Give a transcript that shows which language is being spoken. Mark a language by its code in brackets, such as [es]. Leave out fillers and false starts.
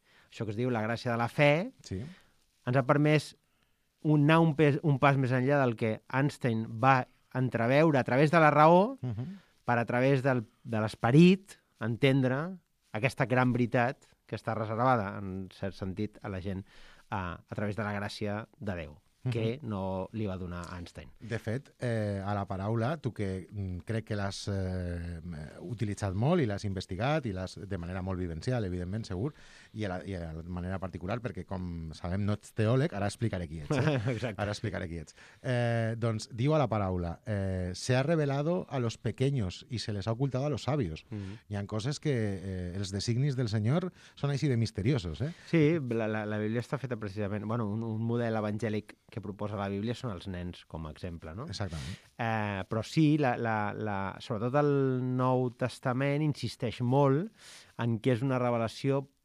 [ca] Això que es diu la gràcia de la fe, ens ha permès anar un pas més enllà del que Einstein va entreveure a través de la raó, per a través de l'esperit entendre aquesta gran veritat que està reservada, en cert sentit, a la gent a través de la gràcia de Déu, que no li va donar Einstein. De fet, a la paraula, tu que crec que l'has utilitzat molt i l'has investigat i l'has de manera molt vivencial, evidentment, segur, i a la manera particular, perquè com sabem no ets teòleg, ara explicaré qui ets. Ara explicaré qui ets. [es] Doncs diu a la paraula, se ha revelado a los pequeños y se les ha ocultado a los sabios. [ca] Hi ha coses que els designis del Senyor són així de misteriosos. Sí, la Bíblia està feta precisament, bueno, un model evangèlic que proposa la Bíblia són els nens, com a exemple, no? Exactament. Però sí, sobretot el Nou Testament insisteix molt en que és una revelació...